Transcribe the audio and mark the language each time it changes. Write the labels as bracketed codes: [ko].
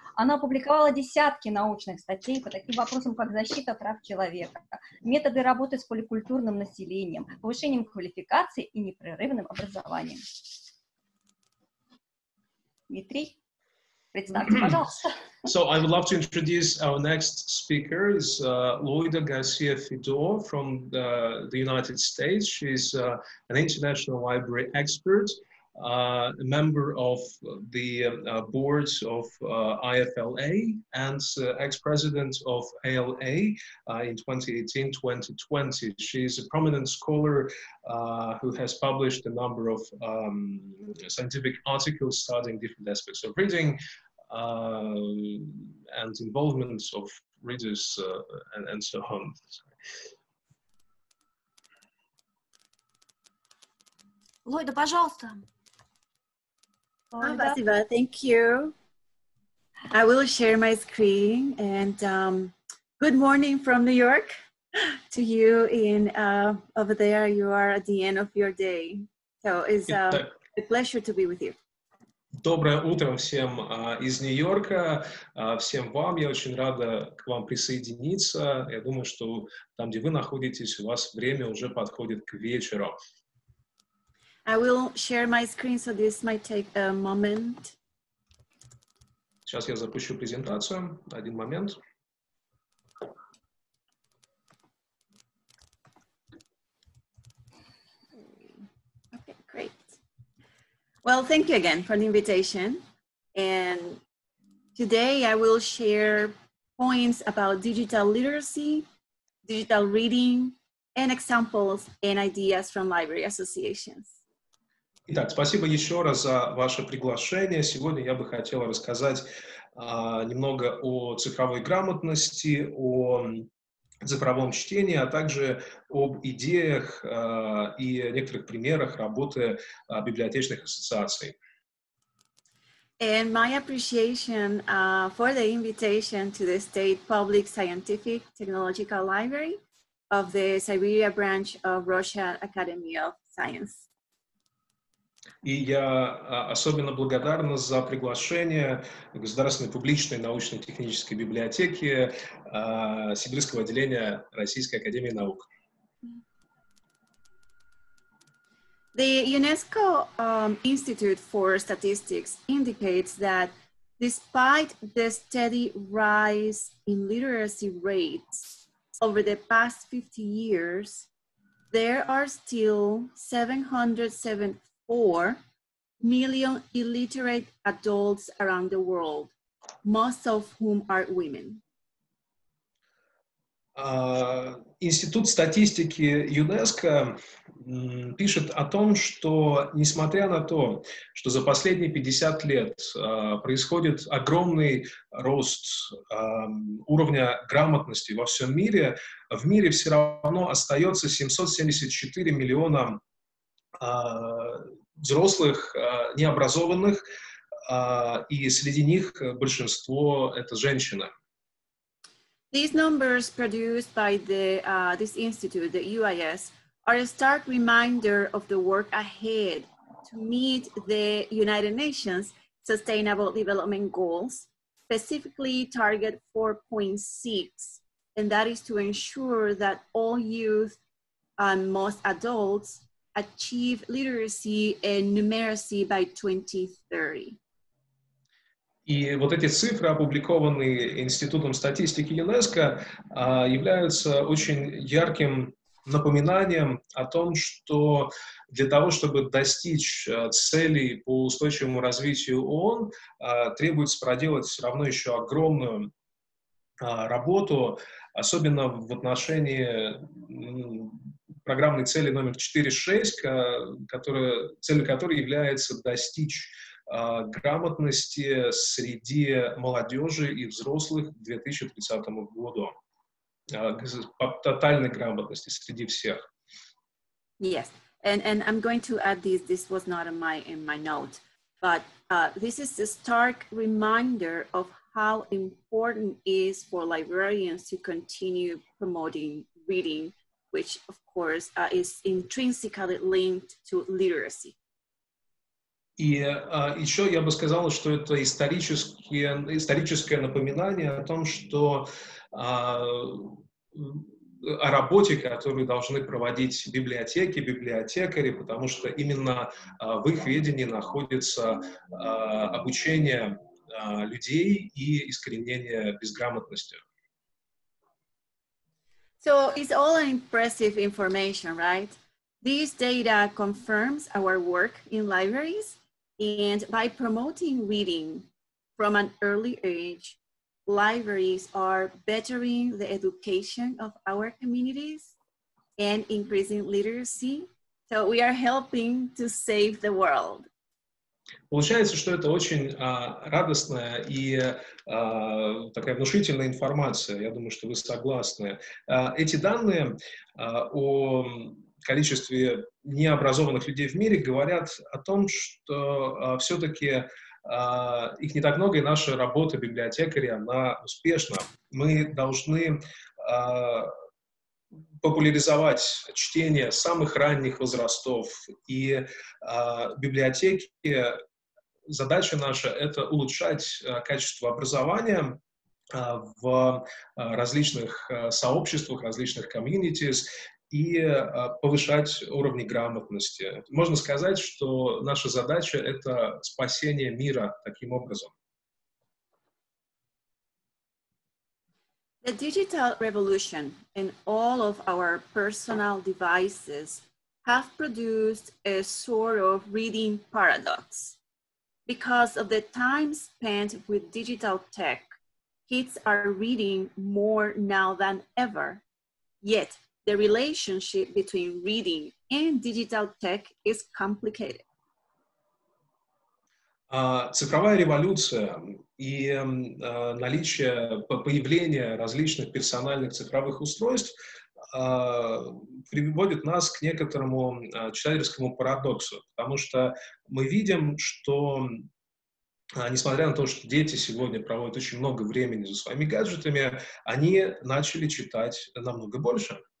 [ru] Она опубликовала десятки научных статей по таким вопросам, как защита прав человека, методы работы с поликультурным населением, повышением квалификации и непрерывным образованием. Дмитрий, представьте, пожалуйста. [en] So I would love to introduce our next speaker is Lloyda Gurcia-Fibo from the United States. She's an international library expert, a member of the board of IFLA and ex-president of ALA in 2018-2020. She's a prominent scholar who has published a number of scientific articles studying different aspects of reading, and involvement of readers and so on. [ru] Лойда, пожалуйста. Спасибо, [en] thank you. I will share my screen and good morning from New York to you in over there. You are at the end of your day. So it's a pleasure to be with you. [ru] Доброе утро всем из Нью-Йорка, всем вам. Я очень рада к вам присоединиться. Я думаю, что там, где вы находитесь, у вас время уже подходит к вечеру. [en] I will share my screen, so this might take a moment. [ru] Сейчас я запущу презентацию. Один момент. [en] Well, thank you again for the invitation. And today I will share points about digital literacy, digital reading, and examples and ideas from library associations. [ru] Итак, спасибо еще раз за ваше приглашение. Сегодня я бы хотела рассказать немного о цифровой грамотности, о цифровом чтении, а также об идеях и некоторых примерах работы библиотечных ассоциаций. [en] And my appreciation for the invitation to the State Public Scientific Technological Library of the Siberia branch of Russia Academy of Science. [ru] И я особенно благодарна за приглашение Государственной публичной научно-технической библиотеки Сибирского отделения Российской академии наук. [en] The UNESCO Institute for Statistics indicates that despite the steady rise in literacy rates over the past 50 years, there are still 774 million illiterate adults around the world, most of whom are women. [ru] Институт статистики ЮНЕСКО пишет о том, что несмотря на то, что за последние 50 лет происходит огромный рост уровня грамотности во всем мире, в мире все равно остается 774 миллиона взрослых, необразованных, и среди них большинство — это женщины. [en] These numbers produced by the this institute, the UIS, are a stark reminder of the work ahead to meet the United Nations Sustainable Development Goals, specifically target 4.6, and that is to ensure that all youth and most adults achieve literacy and numeracy by 2030. [ru] И вот эти цифры, опубликованные Институтом статистики ЮНЕСКО, являются очень ярким напоминанием о том, что для того, чтобы достичь целей по устойчивому развитию ООН, требуется проделать все равно еще огромную работу, особенно в отношении программной цели номер 4.6, цель которой является достичь грамотности среди молодежи и взрослых к 2030 году. По тотальной грамотности среди всех. [en] Yes, and I'm going to add this was not in my note, but this is a stark reminder of how important it is for librarians to continue promoting reading, which of course is intrinsically linked to literacy. [ru] И еще я бы сказал, что это историческое напоминание о том, что о работе, которую должны проводить библиотеки, библиотекари, потому что именно в их ведении находится обучение людей и искоренение безграмотности. [en] So it's all impressive information, right? These data confirms our work in libraries. And by promoting reading from an early age, libraries are bettering the education of our communities and increasing literacy. So we are helping to save the world. [ru] Получается, что это очень радостная и такая внушительная информация. Я думаю, что вы согласны. Эти данные о количестве необразованных людей в мире говорят о том, что все-таки их не так много, и наша работа библиотекаря, она успешна. Мы должны популяризовать чтение самых ранних возрастов, и библиотеки, задача наша — это улучшать качество образования в различных сообществах, различных communities, и повышать уровни грамотности. Можно сказать, что наша задача — это спасение мира таким образом. [en] The digital revolution and all of our personal devices have produced a sort of reading paradox. Because of the time spent with digital tech, kids are reading more now than ever. Yet, the relationship between reading and digital tech is complicated. [ru] Цифровая революция и наличие, появление различных персональных цифровых устройств приводит нас к некоторому читательскому парадоксу, потому что мы видим, что несмотря на то, что дети сегодня проводят очень много времени за своими гаджетами, они начали читать намного больше.